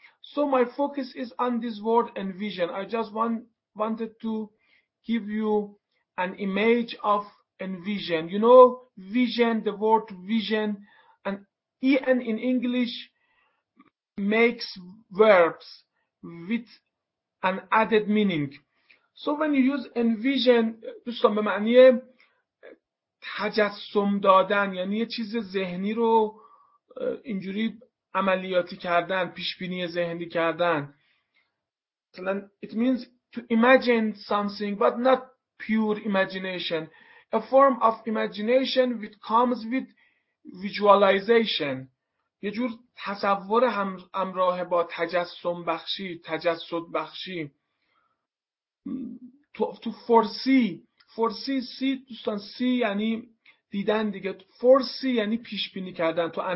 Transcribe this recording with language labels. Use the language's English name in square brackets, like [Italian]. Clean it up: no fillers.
[English] So my focus is on this word envision. I just wanted to give you an image of envision. You know, vision, the word vision, and en in English makes verbs with an added meaning. So when you use envision, [Persian] دوستان به معنی تجسم دادن، یعنی یه چیز ذهنی رو اینجوری عملیاتی کردن، پیشبینی ذهنی کردن. مثلا [English] it means to imagine something but not pure imagination. A form of imagination which comes with visualization. [Persian] یه جور تصور همراه با تجسم بخشی، تجسد بخشی. [English] To foresee, [Persian] دوستان see یعنی دیدن دیگه. Foresee یعنی پیشبینی کردن.